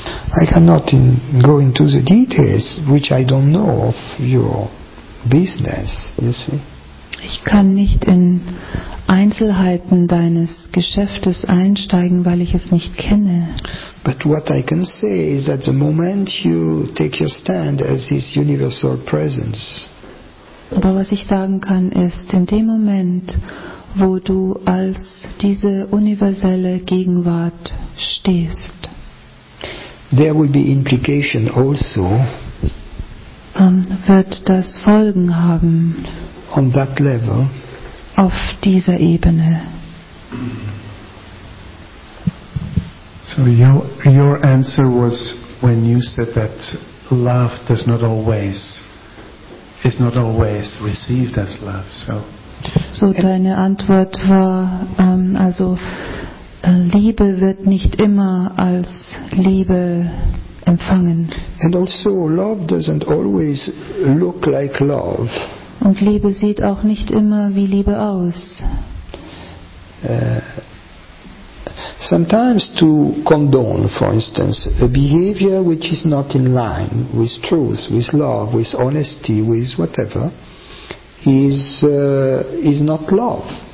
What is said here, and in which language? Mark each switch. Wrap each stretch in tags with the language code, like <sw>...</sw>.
<en>I cannot go into the details which I don't know of your business, you see.</en> <de>Ich kann nicht in Einzelheiten deines Geschäftes einsteigen, weil ich es nicht kenne.</de> <en>But what I can say is that the moment you take your stand as this universal presence.</en> <de>Aber was ich sagen kann ist, in dem Moment, wo du als diese universelle Gegenwart stehst,</de> <en>there will be implication also</en> <de>wird das Folgen haben</de> <en>on that level,</en> <de>auf dieser Ebene.</de> <en>So your answer was when you said that love does not always is not always received as love.</en> <de>So deine Antwort war also Liebe wird nicht immer als Liebe empfangen.</de> <en>And also, love doesn't always look like love.</en> <de>Und Liebe sieht auch nicht immer wie Liebe aus.</de> <en>Sometimes to condone, for instance, a behavior which is not in line with truth, with love, with honesty, with whatever, is not love.</en>